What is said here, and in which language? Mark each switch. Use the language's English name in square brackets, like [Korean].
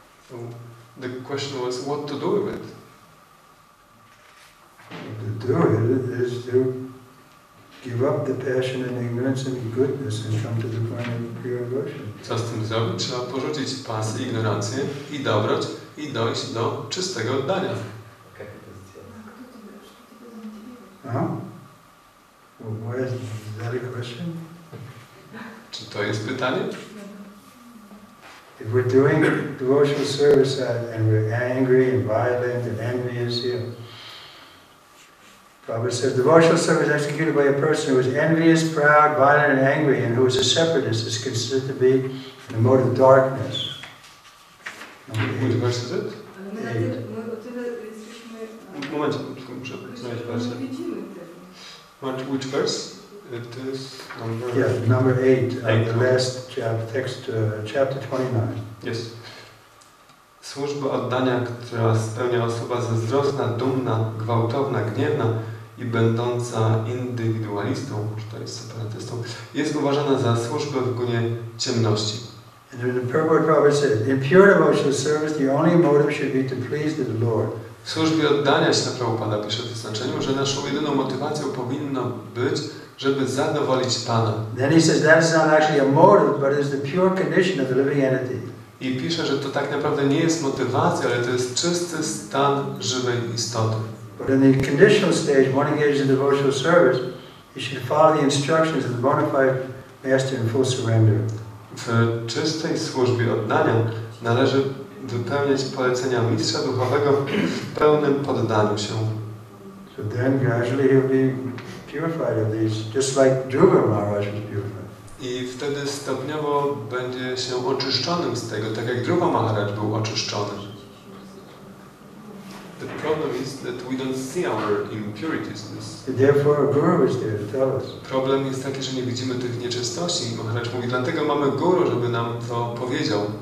[English] to the question was, what to do with it? To do it is to give up the passion and ignorance and goodness and come to the point of pure devotion. [Polish] Co z tym zrobić? Trzeba porzucić pasję, ignorancję i dobroć, i dojść do czystego oddania. Jaka to jest? Kto to wiesz? Kto to zamówił? Aha. [English] Well, why is that a question? [Polish] to jest pytanie? [English] If we're doing devotional service and we're angry and violent and envious, Prabhupada says devotional service is executed by a person who is envious, proud, violent, and angry, and who is a separatist, is considered to be in the mode of darkness. Which verse is it? Which verse? It is number... Yeah, number 8 of the last chapter, text, chapter 29. Yes. [Polish] Służba oddania, która spełnia osoba zazdrosna, dumna, gwałtowna, gniewna i będąca indywidualistą, czy to jest separatystą, jest uważana za służbę w gunie ciemności. [English] And the Purport Prabhupada said, in pure devotional service, the only motive should be to please the Lord. [Polish] W służbie oddania się na Prabhupada pisze w znaczeniu, że naszą jedyną motywacją powinno być, żeby zadowolić Pana. [English] Then he says, that is not actually a motive, but it is the pure condition of the living entity. [Polish] I pisze, że to tak naprawdę nie jest motywacja, ale to jest czysty stan żywej istoty. [English] But in the conditional stage, when engaged in devotional service, he should follow the instructions of the bona fide master in full surrender. [Polish] W czystej służbie oddania należy wypełniać polecenia mistrza duchowego w pełnym poddaniu się. [English] So then gradually he'll be purified of these, just like Dhruva Maharaj was purified. [Polish] I wtedy stopniowo będzie się oczyszczonym z tego, tak jak Dhruva Maharaj był oczyszczony. [English] The problem is that we don't see our impurities. Therefore, Guru is there to tell us. [Polish] Problem jest taki, że nie widzimy tych nieczystości. Maharaj mówi, dlatego mamy Guru, żeby nam to powiedział.